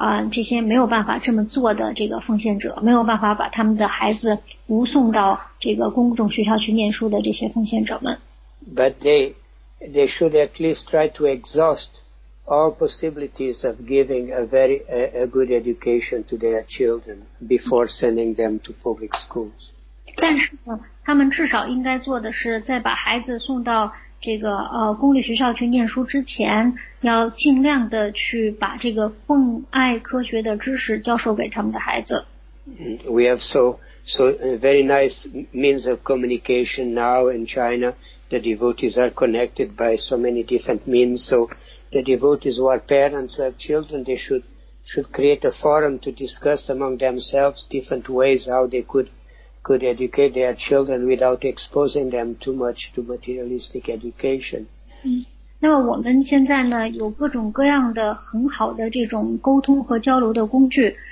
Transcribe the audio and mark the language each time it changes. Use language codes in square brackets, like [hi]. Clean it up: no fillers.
[zh] 这些没有办法这么做的这个奉献者，没有办法把他们的孩子不送到这个公众学校去念书的这些奉献者们。 [en] But they should at least try to exhaust all possibilities of giving a good education to their children before sending them to public schools. [zh] 但是呢，他们至少应该做的是在把孩子送到这个公立学校去念书之前，要尽量的去把这个奉爱科学的知识教授给他们的孩子。 [en] We have so very nice means of communication now in China. The devotees are connected by so many different means. So the devotees who are parents who have children, they should create a forum to discuss among themselves different ways how they could educate their children without exposing them too much to materialistic education. [zh] 那么我们现在呢，有各种各样的很好的这种沟通和交流的工具。